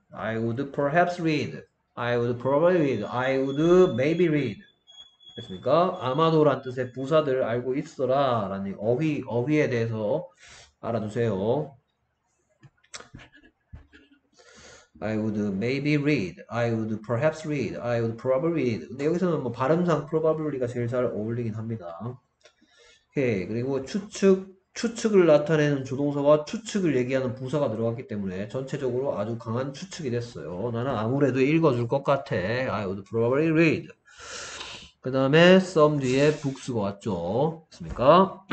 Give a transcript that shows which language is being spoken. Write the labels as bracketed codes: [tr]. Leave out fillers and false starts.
[en] I would perhaps read, I would probably read, I would maybe read. [ko] 됐습니까? 아마도란 뜻의 부사들 알고 있어라라는 어휘에 대해서 알아두세요. [en] I would maybe read, I would perhaps read, I would probably read. [ko] 근데 여기서는 뭐 발음상 probably가 제일 잘 어울리긴 합니다. 오케이. 그리고 추측을 나타내는 조동사와 추측을 얘기하는 부사가 들어갔기 때문에 전체적으로 아주 강한 추측이 됐어요. 나는 아무래도 읽어줄 것 같아. [en] I would probably read. [ko] 그 다음에 some 뒤에 books가 왔죠. 맞습니까?